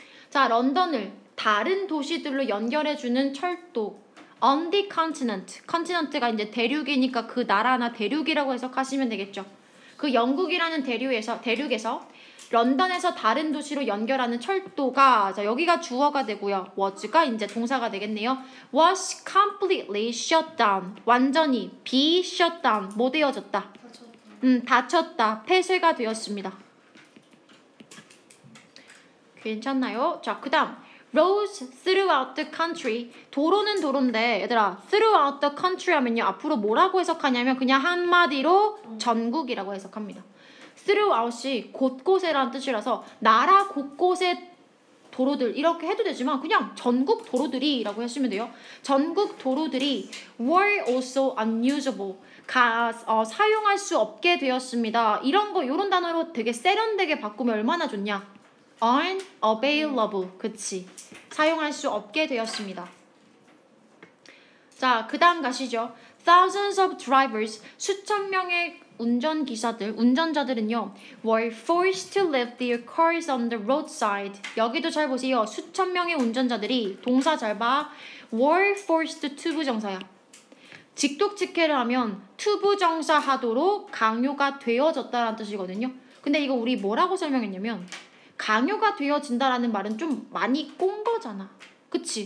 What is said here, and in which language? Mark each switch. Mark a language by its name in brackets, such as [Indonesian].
[Korean] 자, 런던을 다른 도시들로 연결해주는 철도. [English] On the continent, [Korean] continent가 이제 대륙이니까 그 나라나 대륙이라고 해석하시면 되겠죠. 그 영국이라는 대륙에서 런던에서 다른 도시로 연결하는 철도가, 자, 여기가 주어가 되고요. was가 이제 동사가 되겠네요. [English] was completely shut down. [Korean] 완전히 [English] be shut down. [Korean] 뭐 되어졌다? 닫혔다. 닫혔다. 폐쇄가 되었습니다. 괜찮나요? 자, 그 다음. [English] roads throughout the country. [Korean] 도로는 도로인데, 얘들아, [English] throughout the country [Korean] 하면요. 앞으로 뭐라고 해석하냐면, 그냥 한마디로 전국이라고 해석합니다. throughout이 곳곳에라는 뜻이라서 나라 곳곳의 도로들 이렇게 해도 되지만 그냥 전국 도로들이 라고 하시면 돼요. 전국 도로들이 [English] were also unusable, [Korean] 사용할 수 없게 되었습니다. 이런 거 이런 단어로 되게 세련되게 바꾸면 얼마나 좋냐. unavailable, 그치. 사용할 수 없게 되었습니다. 자, 그 다음 가시죠. [English] thousands of drivers, [Korean] 수천 명의 운전자들은요 [English] were forced to leave their cars on the roadside. [Korean] 여기도 잘 보세요. 수천 명의 운전자들이, 동사 잘 봐, [English] were forced to [Korean] 부정사야. 직독직해를 하면 to 부정사하도록 강요가 되어졌다라는 뜻이거든요. 근데 이거 우리 뭐라고 설명했냐면 강요가 되어진다라는 말은 좀 많이 꼰 거잖아, 그치?